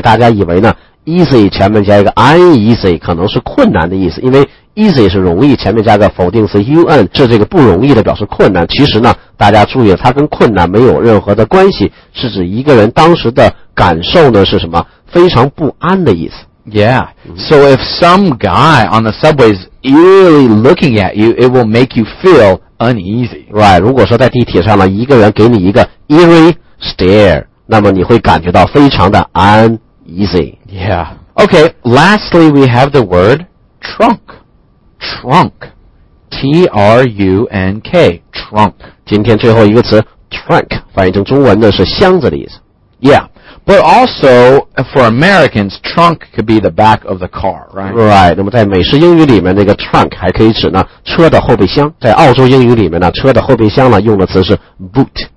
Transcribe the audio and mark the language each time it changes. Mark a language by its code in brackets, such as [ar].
[zh] 大家以为呢easy 前面加一个 uneasy 可能是困难的意思，因为 easy 是容易，前面加个否定词 un 是这个不容易的，表示困难。其实呢，大家注意了，它跟困难没有任何的关系，是指一个人当时的感受呢是什么，非常不安的意思。 [en] Yeah, so if some guy on the subway is eerily looking at you, it will make you feel uneasy. Right, [zh] 如果说在地铁上呢，一个人给你一个 eerie stare, 那么你会感觉到非常的安。 [en] Easy. Yeah. Okay, lastly, we have the word trunk. Trunk. T-R-U-N-K. Trunk. [zh] 今天最后一个词 trunk, 翻译成中文的是箱子的意思。 [en] Yeah. But also, for Americans, trunk could be the back of the car, right? Right. [zh] 那么在美式英语里面那个 trunk 还可以指呢车的后备箱。在澳洲英语里面呢车的后备箱呢用的词是 boot.